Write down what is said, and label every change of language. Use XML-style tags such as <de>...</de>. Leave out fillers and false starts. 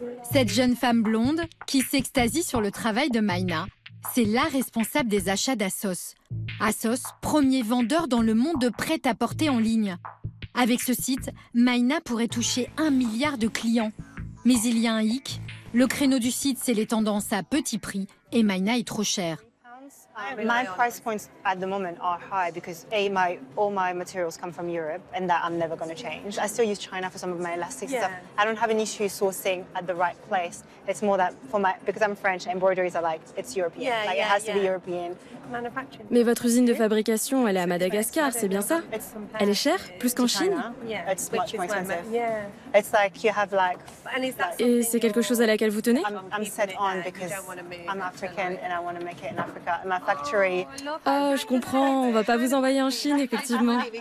<fr>Cette jeune femme blonde, qui s'extasie sur le travail de Maïna, c'est la responsable des achats d'Asos. Asos, premier vendeur dans le monde de prêt-à-porter en ligne. Avec ce site, Maïna pourrait toucher 1 milliard de clients. Mais il y a un hic. Le créneau du site, c'est les tendances à petit prix et Maïna est trop chère.</fr> <en>My price points at the moment are high because A, all my materials come from Europe and that I'm never going to change. I still use China for some of my elastic stuff. I don't have an issue sourcing at the right place. It's more that for my, because I'm French, embroideries are like, it's European. It has to be European.</en> <fr>Mais votre usine de fabrication, elle est à Madagascar, c'est bien ça? Elle est chère, plus qu'en Chine?</fr> <en>Yeah. It's much more expensive. Yeah. It's like you have like...</en> <fr>Et c'est quelque chose à laquelle vous tenez?</fr> <en>I'm set on because I'm African and I want to make it in Africa. My factory.</en> <fr>Oh, je comprends, on va pas vous envoyer en Chine, effectivement.</fr>